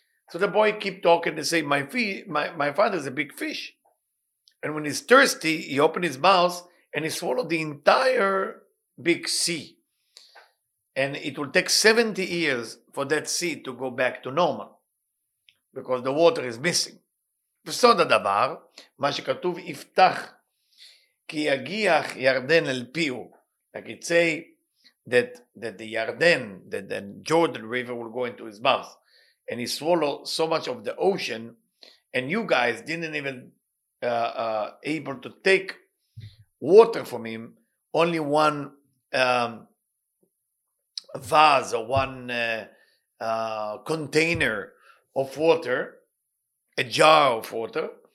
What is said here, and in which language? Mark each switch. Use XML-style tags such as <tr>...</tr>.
<en>So the boy keep talking and say, my father is a big fish. And when he's thirsty, he opened his mouth, and he swallowed the entire big sea. And it will take 70 years for that sea to go back to normal, because the water is missing. So the davar,</en> <he>מה שכתוב, יפתח, כי יגיח ירדן אל פיו.</he> <en>Like it say that the Yarden, that the Jordan River will go into his mouth. And he swallowed so much of the ocean, and you guys didn't even able to take water from him, only one vase or one container of water, a jar of water.</en>